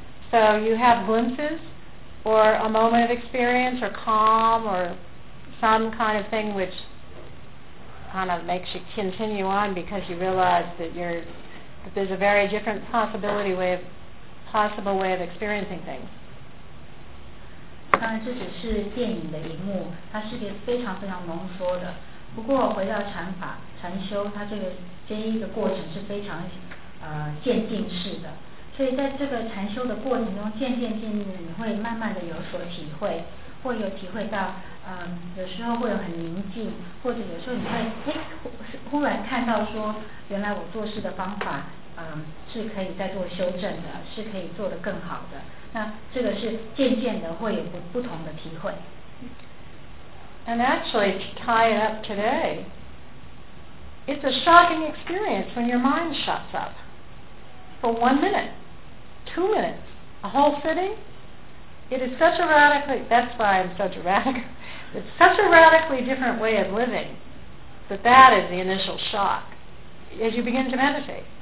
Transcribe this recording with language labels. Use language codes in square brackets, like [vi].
[en] So you have glimpses, or a moment of experience, or calm, or some kind of thing which kind of makes you continue on because you realize that there's a very different possible way of experiencing things. [zh] 当然这只是电影的一幕，它是一个非常非常浓缩的，不过回到禅法禅修，它这一个过程是非常渐进式的，所以在这个禅修的过程中渐渐进入，你会慢慢的有所体会，会有体会到有时候会有很宁静，或者有时候你会忽然看到说原来我做事的方法是可以再做修正的，是可以做得更好的，那这个是渐渐的会有不同的体会。 [en] And actually to tie it up today, it's a shocking experience when your mind shuts up for 1 minute, 2 minutes, a whole sitting. It is such a radically, that's why I'm so dramatic, it's such a radically different way of living, that is the initial shock as you begin to meditate.